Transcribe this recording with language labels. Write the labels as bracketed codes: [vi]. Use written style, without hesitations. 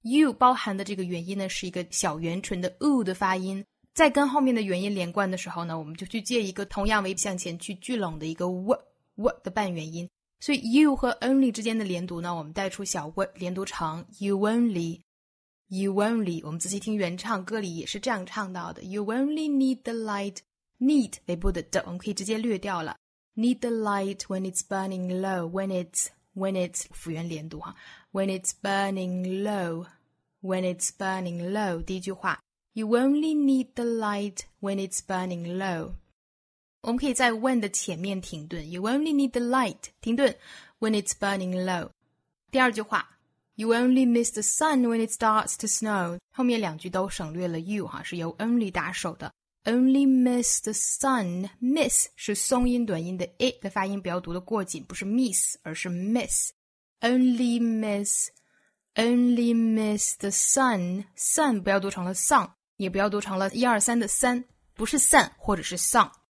[zh] You 包含的这个元音呢，是一个小圆唇的 u 的发音。在跟后面的元音连贯的时候呢，我们就去借一个同样为向前去聚拢的一个 w 的半元音。所以 you 和 only 之间的连读呢，我们带出小 w 连读成 you only。我们仔细听原唱歌里也是这样唱到的， [en] you only need the light， need [zh] 尾部的的我们可以直接略掉了， [en] need the light when it's burning low， when it's [zh] 辅元连读， [en] when it's burning low [zh] 第一句话， [en] You only need the light when it's burning low. [zh] 我们可以在 when 的前面停顿。 [en] You only need the light, [zh] 停顿 [en] when it's burning low. [zh] 第二句话， [en] You only miss the sun when it starts to snow. [zh] 后面两句都省略了 you, 是由 only 打首的。 [en] Only miss the sun, [zh] miss 是松音短音的 i 的发音，不要读的过紧，不是 miss, 而是 miss. [en] Only miss the sun, [zh] sun 不要读成了 sun,也不要读成了一二三的三，不是散或者是丧。